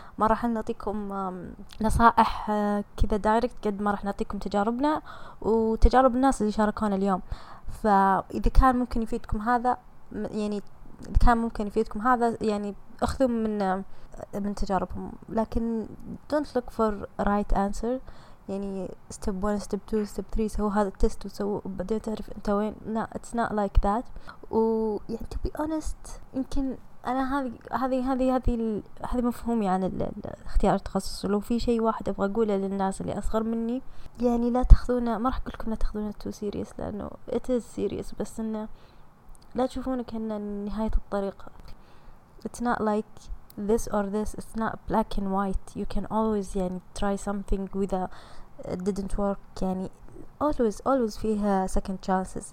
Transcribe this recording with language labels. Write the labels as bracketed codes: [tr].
[ar] ما راح نعطيكم نصائح كذا دايركت قد ما راح نعطيكم تجاربنا وتجارب الناس اللي شاركونا اليوم. فإذا كان ممكن يفيدكم هذا، يعني إذا كان ممكن يفيدكم هذا، يعني أخذوا من تجاربهم. لكن [en] don't look for right answer، [ar] يعني [en] step one step two step three [ar] سووا هذا التست وسووا بعدين تعرف أنت وين. لا [en] it's not like that. [ar] ويعني [en] to be honest، [ar] يمكن أنا هذه هذه هذه هذه مفهومي عن الاختيار التخصص. لو في شيء واحد أبغى أقوله للناس اللي أصغر مني، يعني لا تاخذونه، ما راح أقول لكم لا تاخذونه [en] too serious [ar] لأنه [en] it is serious، [ar] بس إنه لا تشوفونه كأنه نهاية الطريق. [en] It's not like this or this. It's not black and white. You can always [ar] يعني [en] try something with a didn't work. [ar] يعني [en] always always [ar] فيها [en] second chances.